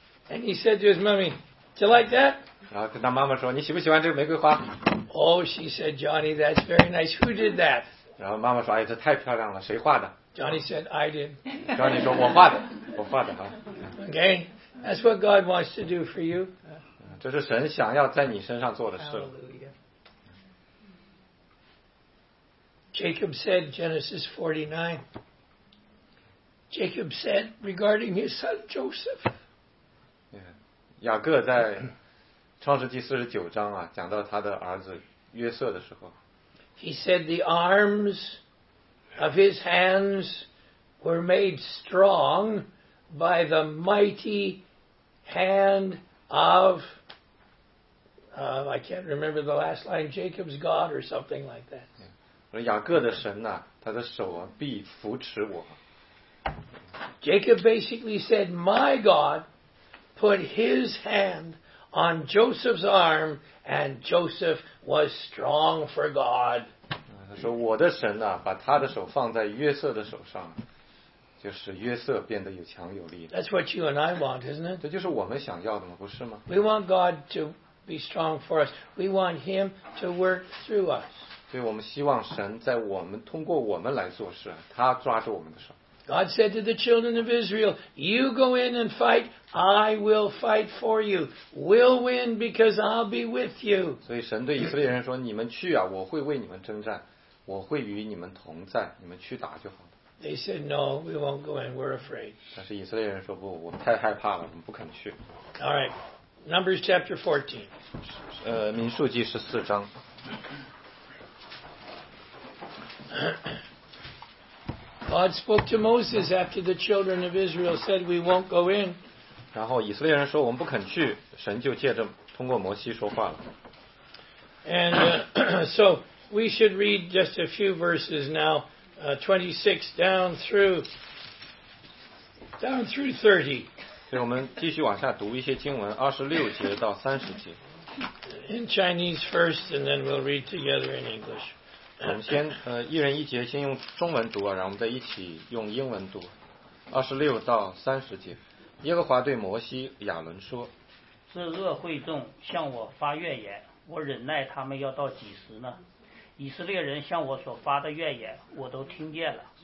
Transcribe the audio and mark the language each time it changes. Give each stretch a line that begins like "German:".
English: And he said to his mommy, "Do you like that?"
Chinese: 然后跟他妈妈说，你喜不喜欢这个玫瑰花
English: ？Oh, she said, "Johnny, that's very nice. Who did that?"
Chinese: 然后妈妈说，哎，这太漂亮了，谁画的
English: ？Johnny said, "I did."
Chinese: Johnny 说，我画的啊。
English: Okay. That's what God wants to do for you.
Chinese: 这是神想要在你身上做的事。
English: Jacob said, Genesis 49. Jacob said regarding his son Joseph.
Chinese: 雅各在创世纪四十九章啊，讲到他的儿子约瑟的时候。
English: He said the arms of his hands were made strong by the mighty. Hand of, I can't remember the last line. Jacob's God or something like that.
Chinese: 雅各的神呐，他的手啊必扶持我。
English: Jacob basically said, "My God put His hand on Joseph's arm, and Joseph was strong for God."
Chinese: 他说我的神呐，把他的手放在约瑟的手上。就是约瑟变得有强有力。
English: That's what you and I want, isn't it?
Chinese: 这就是我们想要的吗？不是吗
English: ？We want God to be strong for us. We want Him to work through us.
Chinese: 所以我们希望神在我们通过我们来做事，他抓着我们的手。
English: God said to the children of Israel, "You go in and fight. I will fight for you. We'll win because I'll be with you."
Chinese: 所以神对以色列人说：“你们去啊，我会为你们征战，我会与你们同在，你们去打就好。”
English: They said, "No, we won't go in. We're afraid."
Chinese: 但是以色列人说不，我们太害怕了，我们不肯去。
English: All right, Numbers chapter 14.
Chinese: 民数记十四章。
English: God spoke to Moses after the children of Israel said, "We won't go in."
Chinese: 然后以色列人说我们不肯去，神就借着通过摩西说话了。
English: And so we should read just a few verses now, 26 down through 30.
Chinese: 所以我们继续往下读一些经文，二十六节到三十节。
English: In Chinese first, and then we'll read together in English.
Chinese: 我们先一人一节，先用中文读啊，然后我们再一起用英文读。二十六到三十节，耶和华对摩西、亚伦说：“ 这恶会众向我发怨言，我忍耐他们要到几时呢？以色列人向我所发的怨言，我都听见了。